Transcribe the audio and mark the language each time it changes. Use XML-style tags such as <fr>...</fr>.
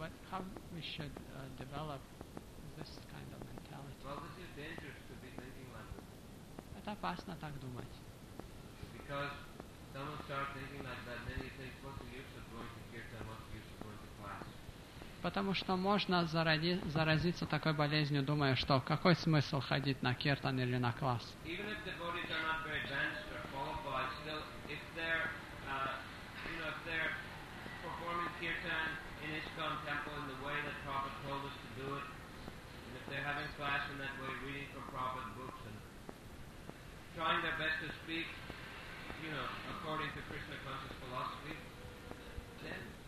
<en>How we should develop this kind of mentality? Well, this is dangerous to be thinking like this.</en> <ru>Это опасно так думать.</ru> <en>Because someone starts thinking like that, then you think, what's the use of going to kirtan, what's the use of going to class?</en> <ru>Потому что можно заразиться такой болезнью, думая, что какой смысл ходить на киртан или на класс.</ru> <en>Even if the devotees are not very advanced or qualified, still, if they're, you know, if they're performing kirtan in ISKCON temple in the way that Prabhupada told us to do it, and if they're having class in that way, reading from Prabhupada books and trying their best to speak, you know, according to Krishna conscious philosophy, then</en>